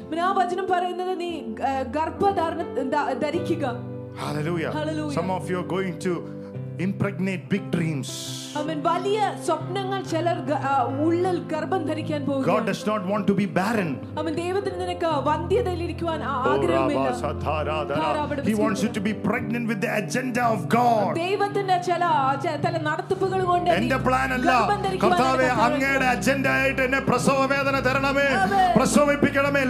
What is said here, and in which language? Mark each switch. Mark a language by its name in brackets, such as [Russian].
[Malayalam] അമ്മ ആ വചനം പറയുന്നത് നീ ഗർഭധാരണം ധരിക്കുക. [English] Hallelujah. Hallelujah. Some of you are going to impregnate big dreams. [Malayalam] അമ്മ വലിയ സ്വപ്നങ്ങൾ ചിലർ ഉള്ളിൽ ഗർഭം ധരിക്കാൻ പോകുന്നു. [English] God does not want to be barren. [Malayalam] അമ്മ ദൈവത്തിന് നിനക്ക് വന്ധ്യതയിൽ ഇരിക്കാൻ ആഗ്രഹമില്ല. [English] He wants you to be pregnant with the agenda of God. [Malayalam] ദൈവത്തിന്റെ ചില ചില നടത്തിപ്പുകൾ കൊണ്ട് എന്റെ പ്ലാൻ അല്ല കർത്താവേ, അങ്ങയുടെ അജണ്ട ആയിട്ട് എന്നെ പ്രസവവേദന തരണമേ, പ്രസവിപ്പിക്കണമേ.